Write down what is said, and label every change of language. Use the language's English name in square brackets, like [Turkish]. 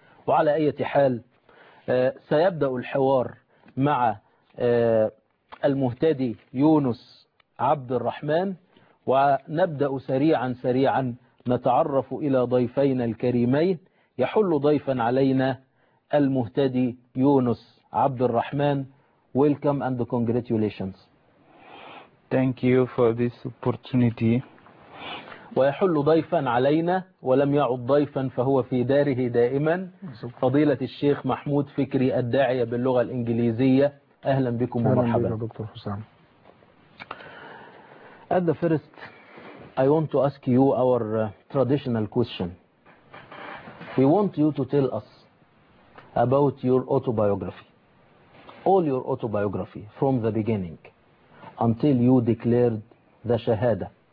[Arabic] وعلى أي حال سيبدأ الحوار مع المهتدي يونس عبد الرحمن، ونبدأ سريعا سريعا نتعرف إلى ضيفينا الكريمين. يحل ضيفا علينا المهتدي يونس عبد الرحمن. [English] Welcome and congratulations. Thank you for this opportunity. [Arabic] ويحل ضيفا علينا ولم يعد ضيفا فهو في داره دائما فضيلة الشيخ محمود فكري الداعية باللغة الإنجليزية. أهلا بكم ومرحبا دكتور حسام. [English] At the first I want to ask you our traditional question. We want you to tell us about your autobiography, all your autobiography from the beginning until you declared the shahada.